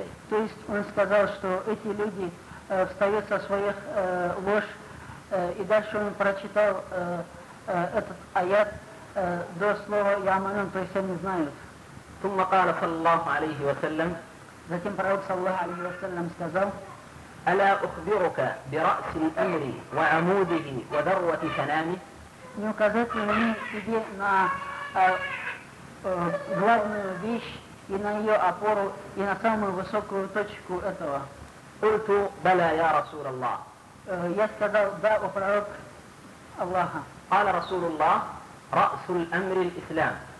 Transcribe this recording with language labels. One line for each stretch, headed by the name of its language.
Russian: То есть он сказал, что эти люди встают со своих лож, и дальше он прочитал этот аят до слова «Яманун», то есть они знают.
Arabic: ثم قال صلى الله عليه وسلم.
Russian: Затем пророк
Arabic: صلى الله عليه وسلم
Russian: сказал:
Arabic: ألا أخبرك برأس الأمر وعموده وذروة كلامه؟
Russian: Не указать ли мне тебе на главную вещь и на ее опору и на самую высокую точку этого?
Arabic: Ульту бала я Расул Аллах.
Russian: Я сказал: да, о пророк Аллаха.
Arabic: Кала Расул Аллах Расул Амри Ислам.